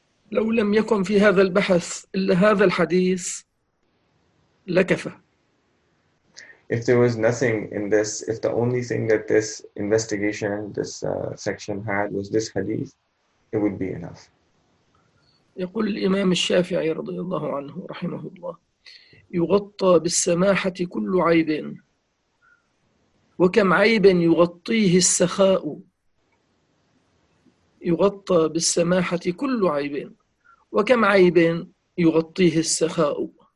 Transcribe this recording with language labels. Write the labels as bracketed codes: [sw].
[ar] لو لم يكن في هذا البحث إلا هذا الحديث لكفى. [en] If there was nothing in this, if the only thing that this investigation, this section had was this hadith, it would be enough. [ar] يقول الإمام الشافعي رضي الله عنه رحمه الله يغطى بالسماحة كل عيب وكم عيب يغطيه السخاء يغطى بالسماحة كل عيب وكم عيب يغطيه السخاء.